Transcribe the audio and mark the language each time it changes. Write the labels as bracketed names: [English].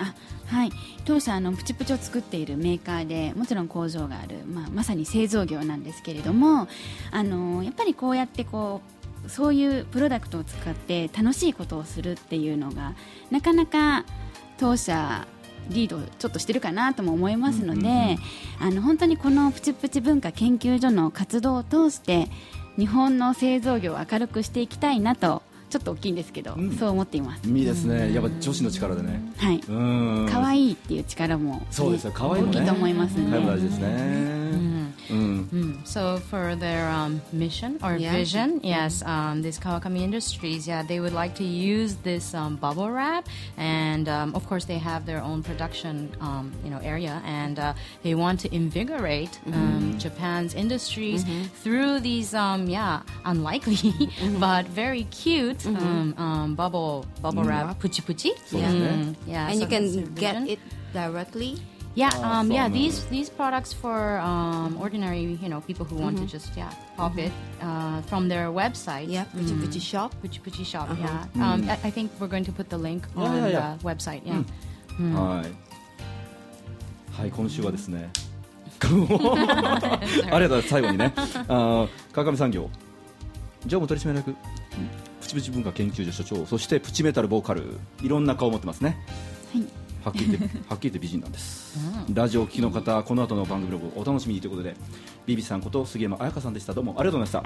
[Japanese] あ、はい、当社のプチプチを作っているメーカーで、もちろん工場がある、まあ、まさに製造業なんですけれども、やっぱりこうやってこうそういうプロダクトを使って楽しいことをするっていうのがなかなか当社リードちょっとしてるかなとも思いますので、うんうんうん、本当にこのプチプチ文化研究所の活動を通して日本の製造業を明るくしていきたいなと、ちょっと大きいんですけど、うん、そう思っています。いいですね、やっぱ女子の力でね、はい、うん、可愛いっていう力も、ね、そうですよ、可愛いもね、大きいと思いますね、可愛いも大事ですね。 [English] So for their mission or vision, yes, this Kawakami Industries, yeah, they would like to use this bubble wrap, and of course they have their own production, you know, area, and they want to invigorate Japan's industries through these, unlikely but very cute bubble wrap, puchi puchi, yeah, and you can get it directly. Yeah, these products for ordinary, you know, people who want to just, yeah, pop it from their website. Yeah, Puchi Puchi Shop. Puchi Puchi Shop, I think we're going to put the link on the website. Yeah. [Japanese] はい。はい、今週はですね。ありがとうございます、最後にね。川上産業、常務取締役、プチプチ文化研究所所長、そしてプチメタルボーカル、いろんな顔を持ってますね。はっきり言って、はっきり言って美人なんです。ラジオを聴きの方、この後の番組ログお楽しみにということで、ビビさんこと杉山彩香さんでした。どうもありがとうございました。